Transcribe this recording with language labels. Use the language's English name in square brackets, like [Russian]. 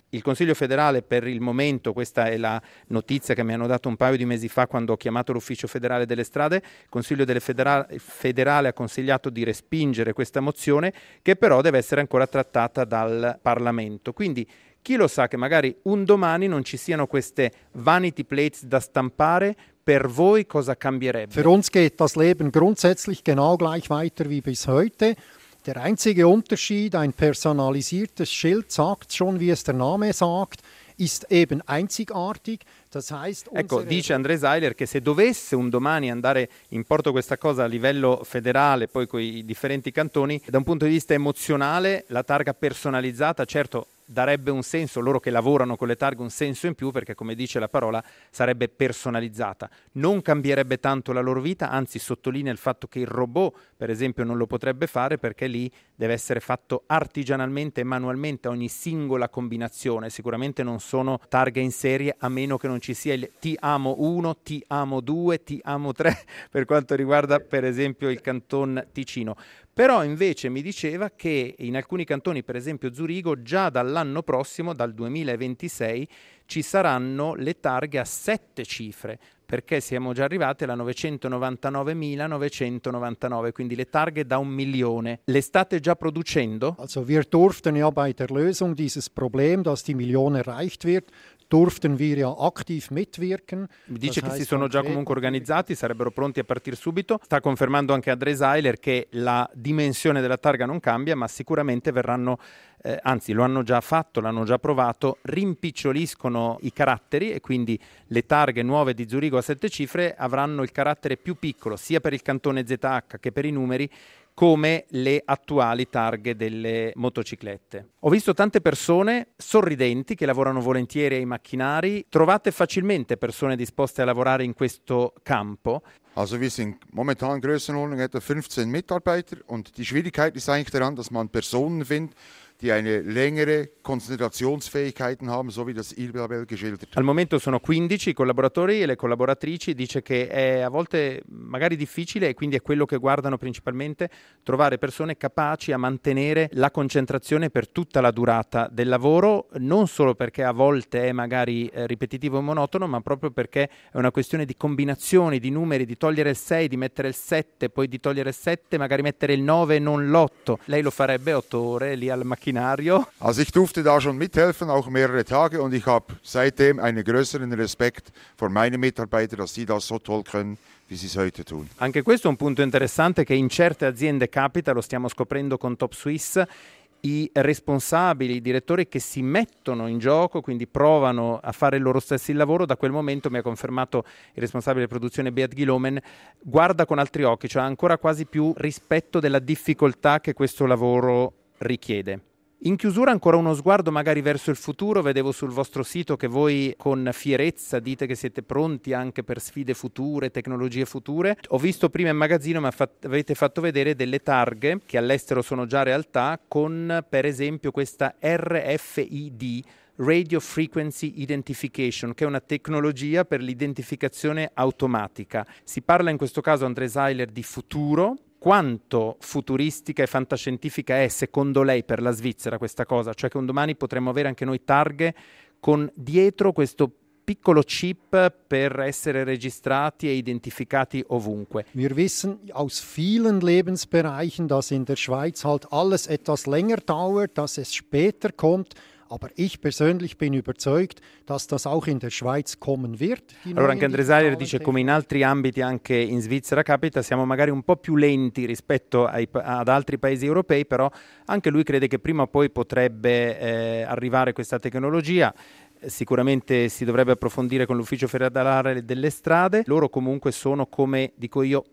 [Italian] Il Consiglio federale, per il momento, questa è la notizia che mi hanno dato un paio di mesi fa quando ho chiamato l'Ufficio federale delle strade, il Consiglio federale ha consigliato di respingere questa mozione, che però deve essere ancora trattata dal Parlamento. Quindi chi lo sa che magari un domani non ci siano queste vanity plates da stampare? Per voi cosa cambierebbe? [German] Für uns geht das Leben grundsätzlich genau gleich weiter wie bis heute. Der einzige Unterschied, ein personalisiertes Schild sagt schon, wie es der Name sagt, ist eben einzigartig. Das heißt, [Italian] ecco, dice André Seiler che se dovesse un domani andare in porto questa cosa a livello federale, poi con i differenti cantoni, da un punto di vista emozionale, la targa personalizzata, certo, darebbe un senso, loro che lavorano con le targhe, un senso in più, perché come dice la parola sarebbe personalizzata, non cambierebbe tanto la loro vita, anzi sottolinea il fatto che il robot per esempio non lo potrebbe fare, perché lì deve essere fatto artigianalmente e manualmente ogni singola combinazione. Sicuramente non sono targhe in serie, a meno che non ci sia il ti amo 1, ti amo 2, ti amo 3 per quanto riguarda per esempio il canton Ticino. Però invece mi diceva che in alcuni cantoni, per esempio Zurigo, già dall'anno prossimo, dal 2026, ci saranno le targhe a 7 cifre, perché siamo già arrivati alla 999.999, quindi le targhe da 1.000.000. Le state già producendo? [German] Also wir durften ja bei der Lösung dieses Problem, dass die Million erreicht wird, durften wir ja aktiv mitwirken. [Italian] Mi dice che si sono già comunque organizzati, sarebbero pronti a partire subito. Sta confermando anche André Seiler che la dimensione della targa non cambia, ma sicuramente verranno, anzi lo hanno già fatto, l'hanno già provato, rimpiccioliscono i caratteri e quindi le targhe nuove di Zurigo a 7 cifre avranno il carattere più piccolo, sia per il cantone ZH che per i numeri, come le attuali targhe delle motociclette. Ho visto tante persone sorridenti che lavorano volentieri ai macchinari. Trovate facilmente persone disposte a lavorare in questo campo? [German] Also wir sind momentan Größenordnung etwa 15 Mitarbeiter und die Schwierigkeit ist eigentlich daran, dass man Personen findet, die eine längere Konzentrationsfähigkeiten haben, so wie das Isabel geschildert. [Italian] Al momento sono 15 i collaboratori e le collaboratrici, dice che è a volte magari difficile e quindi è quello che guardano principalmente, trovare persone capaci a mantenere la concentrazione per tutta la durata del lavoro, non solo perché a volte è magari ripetitivo e monotono, ma proprio perché è una questione di combinazioni, di numeri, di togliere il 6, di mettere il 7, poi di togliere il 7, magari mettere il 9 e non l'8. Lei lo farebbe 8 ore lì al macchinario? [German] Also ich durfte da schon mithelfen, auch mehrere Tage, und ich habe seitdem einen größeren Respekt vor meinen Mitarbeitern, dass sie das so toll können, wie sie es heute tun. [Italian] Anche questo è un punto interessante che in certe aziende capita, lo stiamo scoprendo con Top Swiss, i responsabili, i direttori che si mettono in gioco, quindi provano a fare il loro stesso lavoro, da quel momento, mi ha confermato il responsabile produzione Beat Gilomen, guarda con altri occhi, cioè ancora quasi più rispetto della difficoltà che questo lavoro richiede. In chiusura ancora uno sguardo magari verso il futuro, vedevo sul vostro sito che voi con fierezza dite che siete pronti anche per sfide future, tecnologie future. Ho visto prima in magazzino, ma avete fatto vedere delle targhe che all'estero sono già realtà, con per esempio questa RFID, Radio Frequency Identification, che è una tecnologia per l'identificazione automatica. Si parla in questo caso, André Seiler, di futuro. Quanto futuristica e fantascientifica è, secondo lei, per la Svizzera questa cosa? Cioè che un domani potremmo avere anche noi targhe con dietro questo piccolo chip per essere registrati e identificati ovunque. [German] Wir wissen aus vielen Lebensbereichen, dass in der Schweiz halt alles etwas länger dauert, dass es später kommt. Aber ich persönlich bin überzeugt, dass das auch in der Schweiz kommen wird. [Italian] Allora anche André Seiler dice, come in altri ambiti anche in Svizzera capita, siamo magari un po' più lenti rispetto ad altri paesi europei, però anche lui crede che prima o poi potrebbe arrivare questa tecnologia. Sicuramente si dovrebbe approfondire con l'Ufficio federale delle strade. Loro comunque sono, come dico io,